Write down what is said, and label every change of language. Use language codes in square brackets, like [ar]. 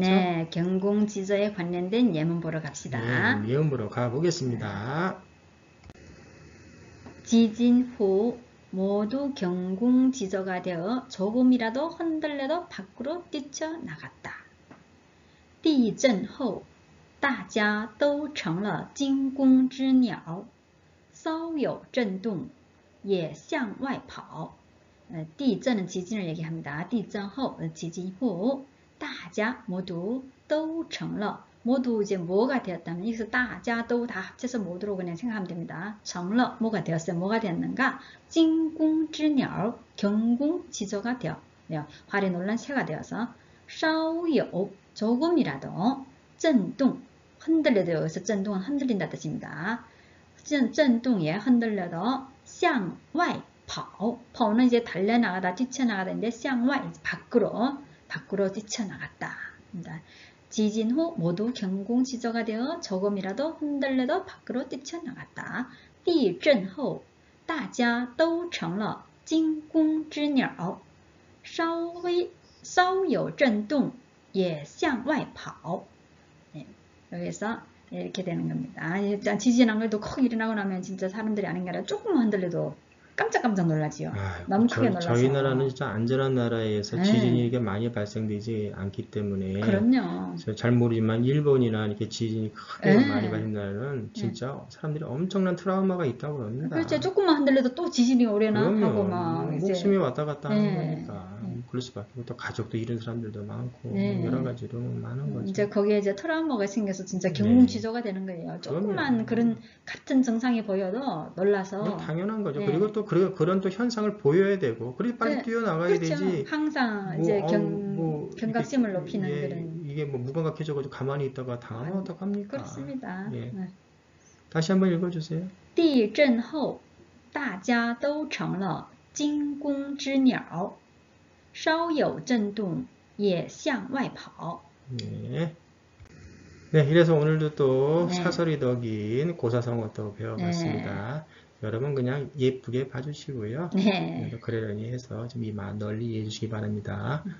[ko] 네, 경궁지조에 관련된 예문 보러 네, 갑시다. 그럼 예음으로 가보겠습니다. 지진 후 모두 경궁지조가 되어 조금이라도 흔들려도 밖으로 뛰쳐나갔다. [zh] 地震后，大家都成了惊弓之鸟，稍有震动也向外跑。地震的 [ko] 지진을얘기합니다。 [zh] 地震后， [ko] 지진후， [zh] 大家 [ko] 모두 [zh] 都成了， [ko] 모두이제뭐가되었다면，여기서 [zh] 大家都 [ko] 다합쳐서모두로그냥생각하면됩니다。 [zh] 成了 [ko] 뭐가되었어요？ 뭐가되었는가？ [zh] 惊弓之鸟， [ko] 경공지조가되었네요。 화려놀란새가되어서。 [zh] 稍有 [ko] 조금이라도 [zh] 震动 [ko] 흔들려도 여기서 [zh] 震动 [ko] 은 흔들린다 뜻입니다. [zh] 震动 [ko] 예, 흔들려도 [zh] 向外跑 跑 [ko] 는 이제 달려나가다 뛰쳐나가다인데 [zh] 向外 [ko] 밖으로 뛰쳐나갔다. 지진 후 모두 경공 지저가 되어 조금이라도 흔들려도 밖으로 뛰쳐나갔다. [zh] 地震后，大家都成了惊弓之鸟，稍有震动也向外跑。 [ko] 여기서 이렇게 되는 겁니다. 일단 지진한 걸또크게 일어나고 나면 진짜 사람들이 아닌 게 아니라 조금만 흔들려도 깜짝깜짝 놀라지요. 너무 크게 저희 나라는 놀라서. 진짜 안전한 나라에서 지진이 네. 이렇게 많이 발생되지 않기 때문에 그럼요. 잘 모르지만 일본이나 이렇게 지진이 크게 많이 예. 발생하는 나라는 진짜 사람들이 엄청난 트라우마가 있다고 그렇지. 합니다. 조금만 흔들려도 또 지진이 오려나 하고 막 그러면 목숨이 이제. 왔다 갔다 하는 거니까 그럴 수밖에 없고 또 가족도 잃은 사람들도 많고 뭐 여러 가지로 많은 이제 거죠. 거기에 이제 트라우마가 생겨서 진짜 경공 지저가 되는 거예요. 조금만 그러면. 그런 같은 증상이 보여도 그건 놀라서. 당연한 거죠. 예. 그리고 또 그런 또 현상을 보여야 되고, 그리고 빨리 네, 뛰어나가야 그렇죠. 되지. 항상 뭐 이제 아우 뭐 이렇게 경각심을 높이는 그런. 이게 뭐 무감각해져가지고 가만히 있다가 당하면 어떡합니까? 그렇습니다. 예. 다시 한번 읽어주세요. [zh] 地震后，大家都成了惊弓之鸟，稍有震动也向外跑。 [ko] 네. 네, 이래서 오늘도 또 네. 사설이 덕인 고사성어도 네. 배워봤습니다. 여러분 그냥 예쁘게 봐주시고요. 네. 그래도 그러려니 해서 좀 이만 널리 이해해 주시기 바랍니다.